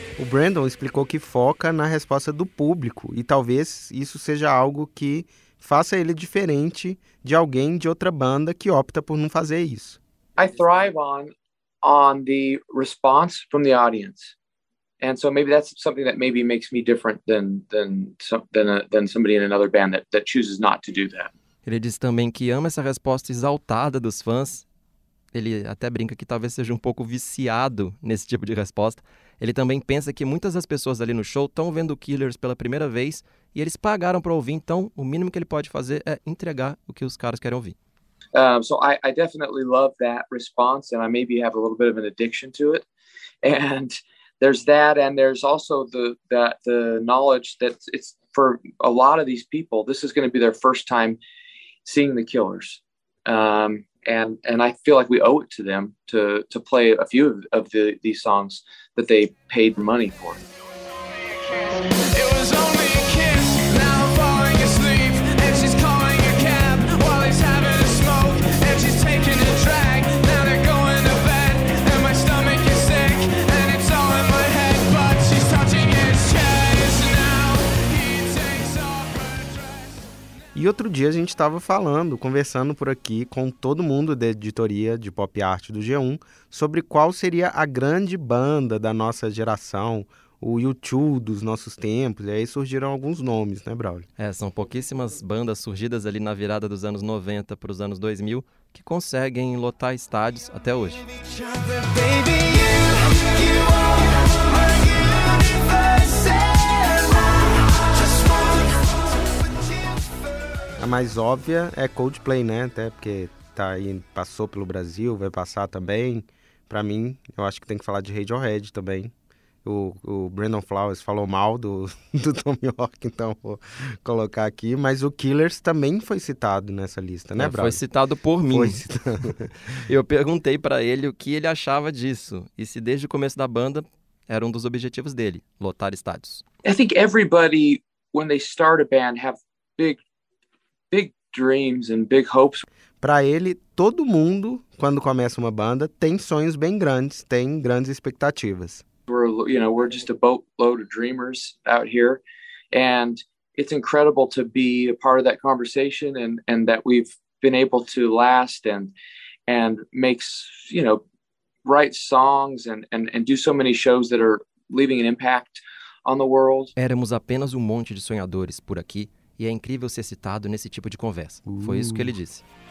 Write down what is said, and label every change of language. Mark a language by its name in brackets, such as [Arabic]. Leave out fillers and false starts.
[Portuguese] Brandon explicou que foca na resposta do público e talvez isso seja algo que faça ele diferente de alguém de outra banda que opta por não fazer isso. [English] I thrive on the response from the audience. And so maybe that's something that maybe makes me different than somebody in another band that chooses not to do that. [Portuguese] Ele diz também que ama essa resposta exaltada dos fãs. Ele até brinca que talvez seja um pouco viciado nesse tipo de resposta. Ele também pensa que muitas das pessoas ali no show estão vendo Killers pela primeira vez e eles pagaram para ouvir, então o mínimo que ele pode fazer é entregar o que os caras querem ouvir. [English] So I definitely love that response and I maybe have a little bit of an addiction to it. And there's that and there's also the knowledge that it's for a lot of these people, this is going to be their first time seeing the Killers. And I feel like we owe it to them to play a few of the these songs that they paid money for. It was only a kiss. Now I'm falling asleep. And she's calling a cab while he's having a smoke. And she's taking a drag. Now they're going to bed. And my stomach is sick. And it's all in my head. But she's touching his chest. Now he takes off her dress. [Portuguese] E outro dia a gente estava falando, conversando por aqui com todo mundo da editoria de pop art do G1 sobre qual seria a grande banda da nossa geração, o U2 dos nossos tempos. E aí surgiram alguns nomes, né, Braulio? É, são pouquíssimas bandas surgidas ali na virada dos anos 90 para os anos 2000 que conseguem lotar estádios até hoje. A mais óbvia é Coldplay, né? Até porque tá aí, passou pelo Brasil, vai passar também. Pra mim, eu acho que tem que falar de Radiohead também. O Brandon Flowers falou mal do Tom York, então vou colocar aqui. Mas o Killers também foi citado nessa lista, né, Braulio? Foi citado por mim. Foi citado. Eu perguntei pra ele o que ele achava disso. E se desde o começo da banda era um dos objetivos dele, lotar estádios. [English] I think everybody, when they start a band, have big dreams and big hopes. [Portuguese] Para ele, todo mundo, quando começa uma banda, tem sonhos bem grandes, tem grandes expectativas. [English] We're just a boatload of dreamers out here and it's incredible to be a part of that conversation and that we've been able to last and make, write songs and do so many shows that are leaving an impact on the world. [Portuguese] Éramos apenas um monte de sonhadores por aqui. E é incrível ser citado nesse tipo de conversa. Foi isso que ele disse.